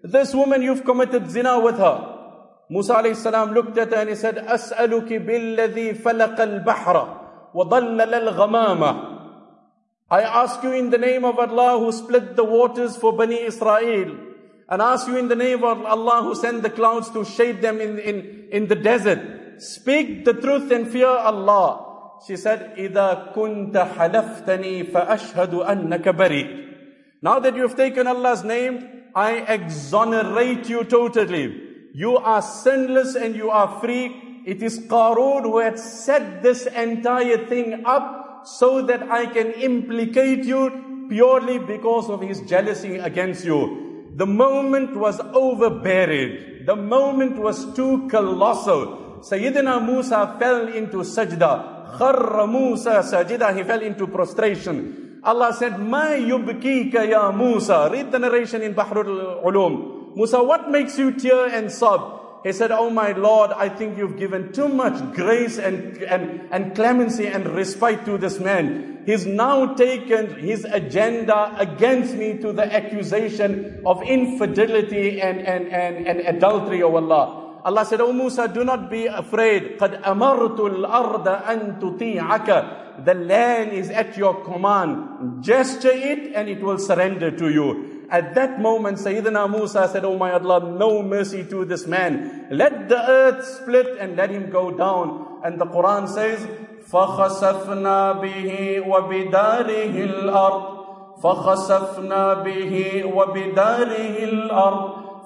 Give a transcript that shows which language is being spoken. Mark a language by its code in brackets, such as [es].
[en] This woman, you've committed zina with her. Musa alayhi salam looked at her and he said, [ar] أَسْأَلُكِ بِالَّذِي فَلَقَ الْبَحْرَ وَضَلَّلَ الْغَمَامَ. [en] I ask you in the name of Allah who split the waters for Bani Israel. And ask you in the name of Allah who sent the clouds to shade them in the desert. Speak the truth and fear Allah. She said, [ar] إِذَا كُنْتَ حَلَفْتَنِي فَأَشْهَدُ أَنَّكَ بَرِيءٌ. [en] Now that you've taken Allah's name, I exonerate you totally. You are sinless and you are free. It is Qarun who had set this entire thing up so that I can implicate you purely because of his jealousy against you. The moment was overbearing. The moment was too colossal. Sayyidina Musa fell into sajda. [ar] خر موسى ساجدا. [en] He fell into prostration. Allah said, [ar] ما يبكيك يا موسى. [en] Read the narration in بحر العلوم. Musa, what makes you tear and sob? He said, oh my Lord, I think you've given too much grace and clemency and respite to this man. He's now taken his agenda against me to the accusation of infidelity and adultery, O Allah. Allah said, oh Musa, do not be afraid. [ar] قَدْ أَمَرْتُ الْأَرْضَ أَن تُطِيعَكَ. [en] The land is at your command. Gesture it and it will surrender to you. At that moment, Sayyidina Musa said, oh my Allah, no mercy to this man. Let the earth split and let him go down. And the Quran says, [ar] فَخَسَفْنَا بِهِ وَبِدَارِهِ الْأَرْضِ فَخَسَفْنَا بِهِ وَبِدَارِهِ الْأَرْضِ